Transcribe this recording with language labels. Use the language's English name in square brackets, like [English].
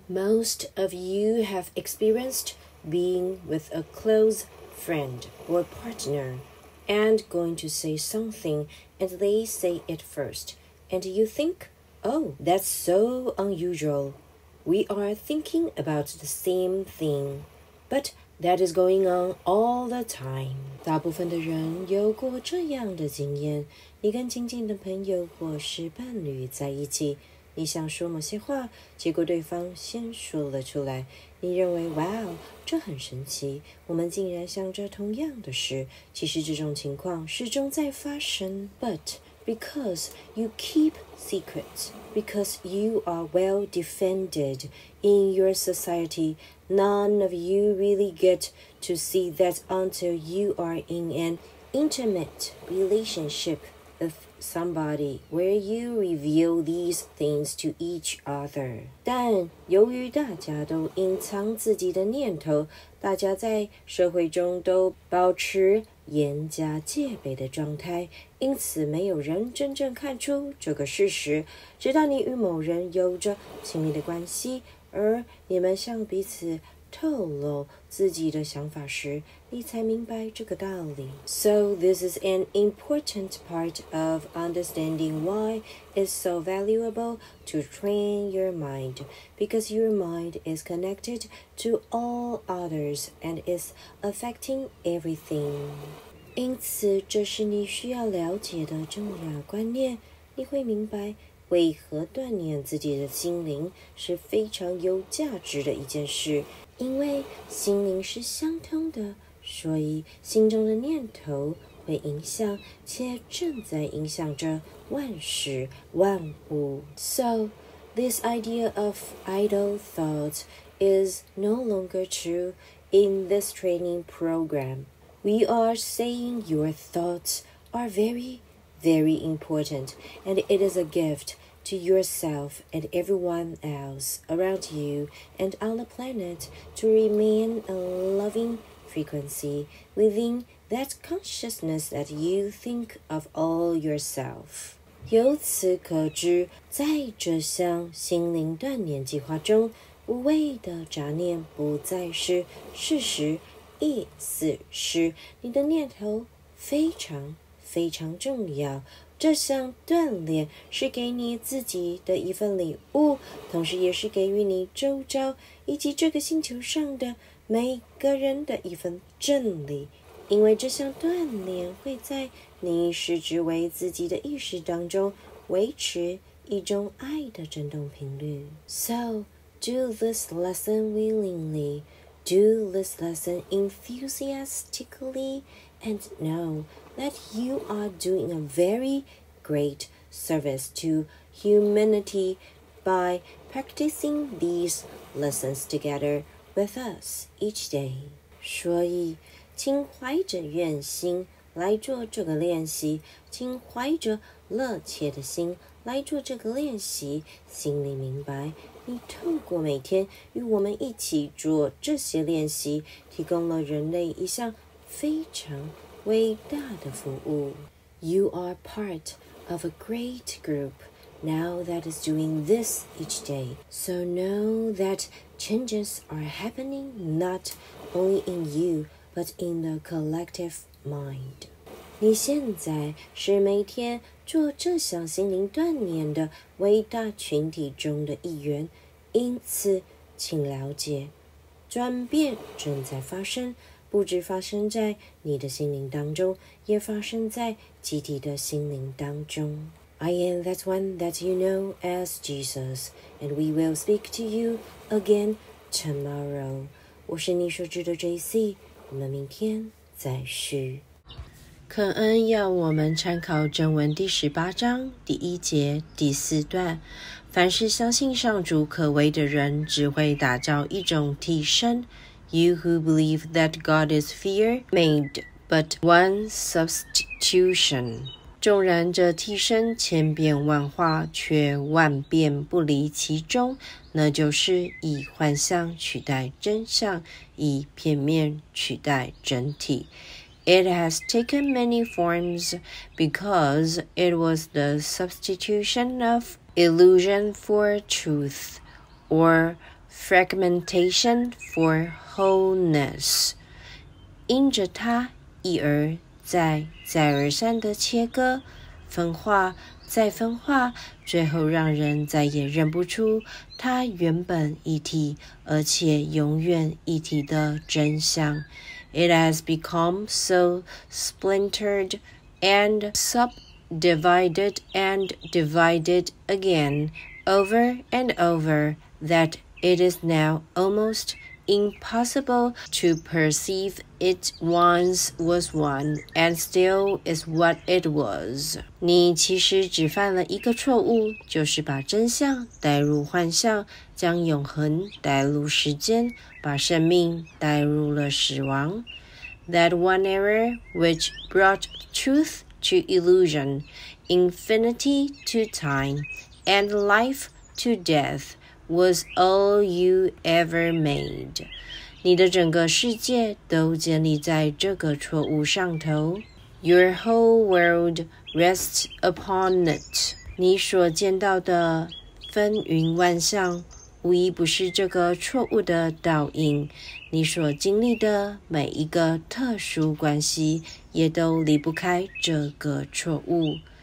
[English] Most of you have experienced being with a close friend or partner and going to say something and they say it first and you thinkOh, that's so unusual. We are thinking about the same thing. But that is going on all the time. [Chinese] 大部分的人有过这样的经验，你跟亲近的朋友或是伴侣在一起，你想说某些话，结果对方先说了出来。你认为，哇哦，这很神奇，我们竟然想着同样的事。其实这种情况始终在发生。 [English] But... Because you keep secrets, because you are well defended in your society, none of you really get to see that until you are in an intimate relationship with somebody where you reveal these things to each other. [Chinese] 但由于大家都隐藏自己的念头，大家在社会中都保持严加戒备的状态，因此没有人真正看出这个事实，直到你与某人有着亲密的关系，而你们向彼此透露自己的想法时，你才明白这个道理。 [English] So this is an important part of understanding why it's so valuable to train your mind, because your mind is connected to all others and is affecting everything. [Chinese] 因此这是你需要了解的重要观念，你会明白为何锻炼自己的心灵是非常有价值的一件事，因为心灵是相通的，所以心中的念头会影响且正在影响着万事万物。 [English] So, this idea of idle thought is no longer true in this training program. We are saying your thoughts are very, very important, and it is a gift to yourself and everyone else around you and on the planet to remain a loving frequency within that consciousness that you think of all yourself. [Chinese] 由此可知，在这项心灵锻炼计划中，无谓的杂念不再是事实，意思是你的念头非常非常重要。这项锻炼是给你自己的一份礼物，同时也是给予你周遭以及这个星球上的每个人的一份真理。因为这项锻炼会在你视之为自己的意识当中维持一种爱的振动频率。 [English] So, do this lesson willingly. Do this lesson enthusiastically and know that you are doing a very great service to humanity by practicing these lessons together with us each day. [Chinese] 所以请怀着愿心来做这个练习，请怀着乐切的心来做这个练习。心里明白，你透过每天与我们一起做这些练习，提供了人类一项非常伟大的服务。 [English] You are part of a great group now that is doing this each day. So know that changes are happening not only in you, but in the collective mind. [Chinese] 你现在是每天做这项心灵锻炼的伟大群体中的一员，因此请了解，转变正在发生，不只发生在你的心灵当中，也发生在集体的心灵当中。 [English] I am that one that you know as Jesus, and we will speak to you again tomorrow. [Chinese] 我是你所知的 JC, 我们明天再续。肯恩要我们参考正文第十八章第一节第四段，凡是相信上主可为的人只会打造一种替身。 [English] You who believe that God is fear made but one substitution. [Chinese] 纵然这替身千变万化，却万变不离其中，那就是以幻象取代真相，以片面取代整体。 [English] It has taken many forms because it was the substitution of illusion for truth, or fragmentation for wholeness. [Chinese] 因着它一而再、再而三的切割、分化、再分化，最后让人再也认不出它原本一体而且永远一体的真相。 [English] It has become so splintered and subdivided and divided again over and over that it is now almost impossible to perceive it once was one and still is what it was. [Chinese] 你其实只犯了一个错误，就是把真相带入幻象，将永恒带入时间，把生命带入了死亡。 [English] That one error which brought truth to illusion, infinity to time, and life to death was all you ever made. [Chinese] 你的整个世界都建立在这个错误上头。 [English] Your whole world rests upon it. [Chinese] 你所见到的纷纭万象无疑不是这个错误的倒影，你所经历的每一个特殊关系也都离不开这个错误。